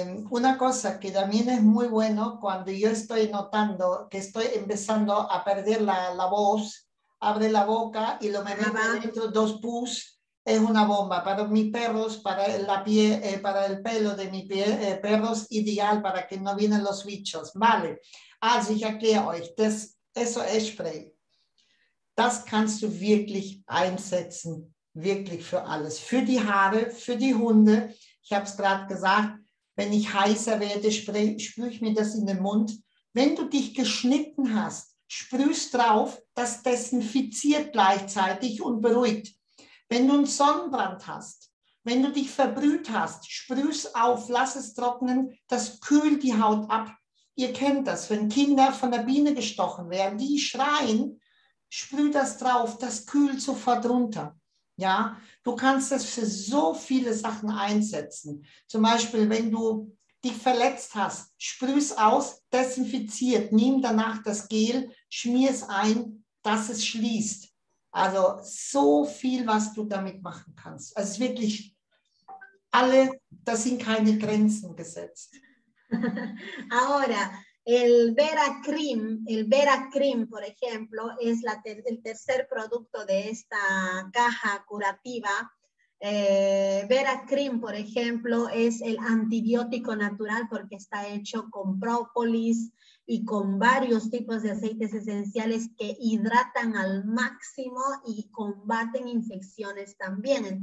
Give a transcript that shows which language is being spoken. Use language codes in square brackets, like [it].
[es] Una cosa que también es muy bueno cuando yo estoy notando que estoy empezando a perder la voz, abre la boca y lo me meto dentro dos pus, es una bomba para mis perros, para la piel, para el pelo de mis perros, ideal para que no vienen los bichos, vale. [de] Also ich erkläre euch, das SOS-Spray, das kannst du wirklich einsetzen, wirklich für alles, für die Haare, für die Hunde. Ich habe es gerade gesagt, wenn ich heißer werde, sprühe ich mir das in den Mund. Wenn du dich geschnitten hast, sprühst drauf, das desinfiziert gleichzeitig und beruhigt. Wenn du einen Sonnenbrand hast, wenn du dich verbrüht hast, sprühst auf, lass es trocknen, das kühlt die Haut ab. Ihr kennt das, wenn Kinder von der Biene gestochen werden, die schreien, sprüh das drauf, das kühlt sofort runter. Ja, du kannst das für so viele Sachen einsetzen. Zum Beispiel, wenn du dich verletzt hast, sprüh's aus, desinfiziert, nimm danach das Gel, schmier's ein, dass es schließt. Also so viel, was du damit machen kannst. Also wirklich, alle, da sind keine Grenzen gesetzt. [es] Ahora, el Vera Cream, por ejemplo, es el tercer producto de esta caja curativa. Vera Cream, por ejemplo, es el antibiótico natural porque está hecho con própolis y con varios tipos de aceites esenciales que hidratan al máximo y combaten infecciones también.